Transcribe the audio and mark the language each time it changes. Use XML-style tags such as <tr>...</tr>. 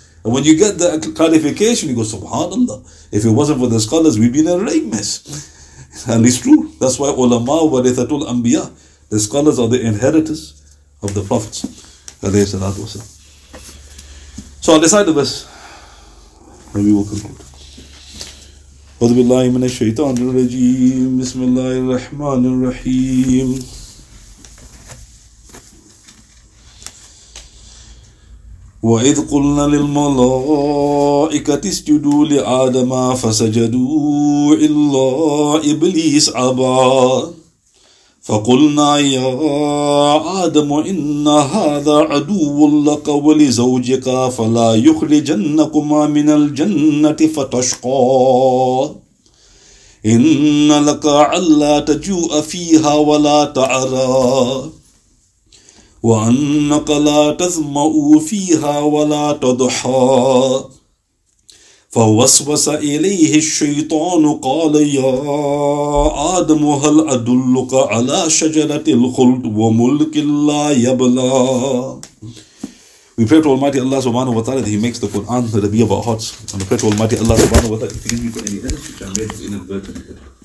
<en>And when you get the clarification, you go, Subhanallah, if it wasn't for the scholars, we'd be in a rape mess. And it's true. That's why ulama warithatul anbiya, the scholars are the inheritors of the prophets. Alayhi salatu wasalam. So on the side of us, and we will conclude.</en> <ar>أعوذ بالله من الشيطان الرجيم بسم الله الرحمن الرحيم وإذ قلنا للملائكة اسجدوا لآدم فسجدوا إلا إبليس أبى فقلنا يا آدم إن هذا عدو لك ولزوجك فلا يخرجنكما من الجنة فتشقى إن لك ألا تجوء فيها ولا تعرى وأنك لا تظمأ فيها ولا تضحى فوسوس إليه الشيطان قال يا آدم هل أدلك على شجرة الخلد وملك لا يبلى.</ar> <en>We pray to Almighty Allah subhanahu wa ta'ala that He makes the Quran the Rabi of our hearts. And we pray to Almighty Allah subhanahu wa ta'ala to forgive me for any errors which I made inadvertently.</en>